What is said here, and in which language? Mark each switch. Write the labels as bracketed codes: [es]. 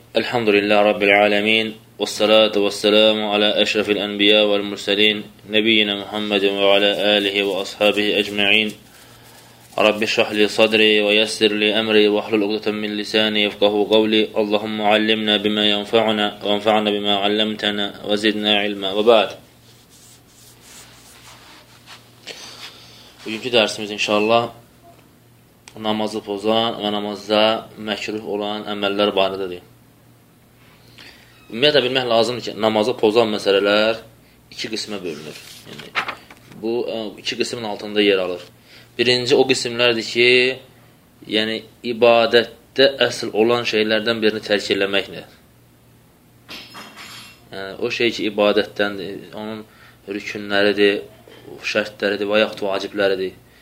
[ar] الحمد لله رب العالمين، والصلاة والسلام على أشرف الأنبياء والمرسلين نبينا محمد وعلى آله وأصحابه أجمعين. رب اشرح لي صدري ويسر لي أمري واحلل عقدة من لساني يفقه قولي. اللهم علمنا بما ينفعنا وانفعنا بما علمتنا وزدنا علما. [az] وبعد، bugünkü dərsimiz inşallah namazı pozan və namazda məkruh olan əməllər barədədir. Ümumiyyətlə bilmək lazımdır ki, namazı pozan məsələlər iki qismə bölünür. Yəni, bu iki qismin altında yer alır. Birinci o qismlərdir ki, yəni ibadətdə əsl olan şeylərdən birini tərk eləməklə. Yəni, o şey ki, ibadətdəndir, onun rükünləridir, şərtləridir və yaxud vacibləridir.